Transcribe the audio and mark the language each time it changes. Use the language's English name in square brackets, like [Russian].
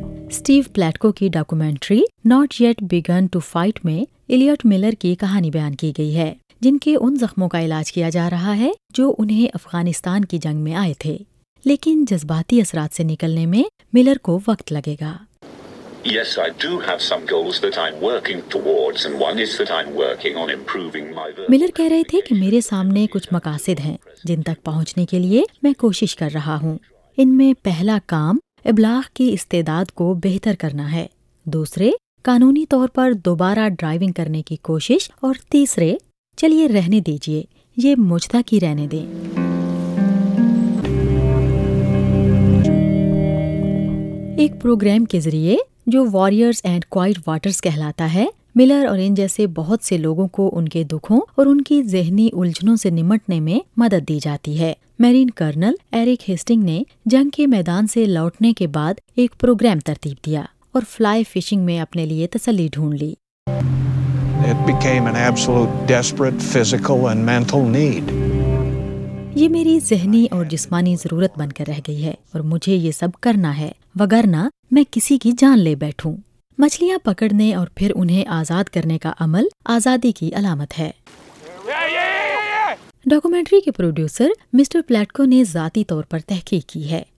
[Urdu] Steve پلیٹکو کی documentary not yet begin to fight میں elite Miller کی کہانی بیان کی گئی ہے جن کے ان زخموں کا علاج کیا جا رہا ہے جو انہیں افغانستان کی جنگ میں آئے تھے, لیکن جذباتی اثرات سے نکلنے میں ملر کو وقت لگے گا. [English] Yes, I do have some goals that I'm working towards, and one is that I'm working on improving my verbal. [Urdu] Miller کہہ رہے تھے کہ میرے سامنے کچھ مقاصد ہیں جن تک پہنچنے کے لیے میں کوشش کر رہا ہوں. ان میں پہلا کام ابلاغ کی استعداد کو بہتر کرنا ہے, دوسرے قانونی طور پر دوبارہ ڈرائیونگ کرنے کی کوشش, اور تیسرے چلیے رہنے دیجیے, یہ مجھ تک ہی رہنے دیں. ایک پروگرام کے ذریعے جو واریئرز اینڈ کوائٹ واٹرز کہلاتا ہے, ملر اور ان جیسے بہت سے لوگوں کو ان کے دکھوں اور ان کی ذہنی الجھنوں سے نمٹنے میں مدد دی جاتی ہے. میرین کرنل ایرک ہیسٹنگ نے جنگ کے میدان سے لوٹنے کے بعد ایک پروگرام ترتیب دیا اور فلائی فشنگ میں اپنے لیے تسلی ڈھونڈ لی. [English] It became an absolute desperate physical and mental need. [Urdu] یہ میری ذہنی اور جسمانی ضرورت بن کر رہ گئی ہے اور مجھے یہ سب کرنا ہے, وگرنہ میں کسی کی جان لے بیٹھوں. مچھلیاں پکڑنے اور پھر انہیں آزاد کرنے کا عمل آزادی کی علامت ہے. ڈاکومنٹری کے پروڈیوسر مسٹر پلیٹکو نے ذاتی طور پر تحقیق کی ہے.